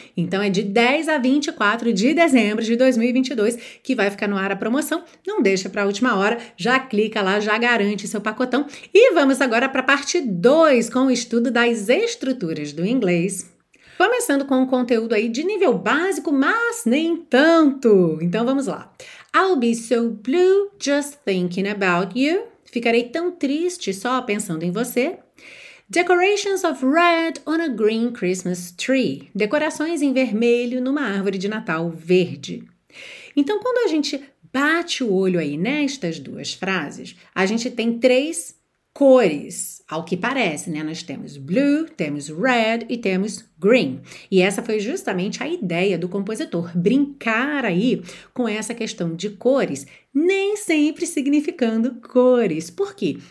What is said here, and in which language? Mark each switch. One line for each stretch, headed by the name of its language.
Portuguese: Então é de 10 a 24 de dezembro de 2022 que vai ficar no ar a promoção. Não deixa para a última hora, já clica lá, já garante seu pacotão. E vamos agora para a parte 2 com o estudo das estruturas do inglês. Começando com um conteúdo aí de nível básico, mas nem tanto. Então vamos lá.
English: I'll be so blue just thinking about you.
Portuguese: Ficarei tão triste só pensando em você.
English: Decorations of red on a green Christmas tree.
Portuguese: Decorações em vermelho numa árvore de Natal verde. Então, quando a gente bate o olho aí nestas duas frases, a gente tem três cores, ao que parece, né? Nós temos blue, temos red e temos green. E essa foi justamente a ideia do compositor, brincar aí com essa questão de cores, nem sempre significando cores. Por quê?